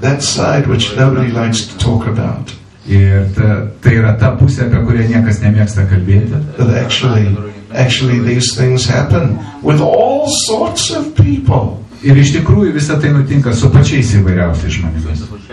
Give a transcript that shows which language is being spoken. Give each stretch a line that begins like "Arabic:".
English: That side which nobody likes to talk about.
Lithuanian: Ir tai yra ta pusė, apie kurią niekas nemėgsta kalbėti.
English: But actually these things happen with all sorts of people.
Lithuanian: Ir iš tikrųjų visa tai nutinka su pačiais įvairiausiais žmonėmis.